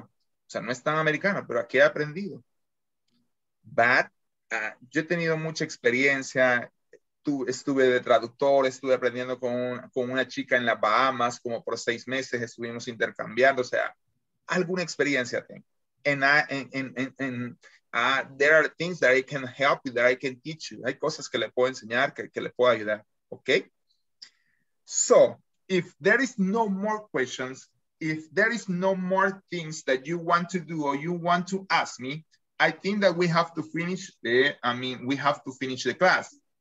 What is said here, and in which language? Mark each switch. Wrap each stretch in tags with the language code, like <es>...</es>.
<es>O sea, no es tan americano, pero aquí he aprendido. But yo he tenido mucha experiencia estuve de traductor, estuve aprendiendo con una chica en las Bahamas como por 6 meses, estuvimos intercambiando, o sea, alguna experiencia tengo.</es> <en>There are things that I can help you, that I can teach you.</en> <es>Hay cosas que le puedo enseñar, que le puedo ayudar.</es> <en>Okay? So, if there is no more questions, if there is no more things that you want to do or you want to ask me, I think that we have to finish the, we have to finish the class.</en>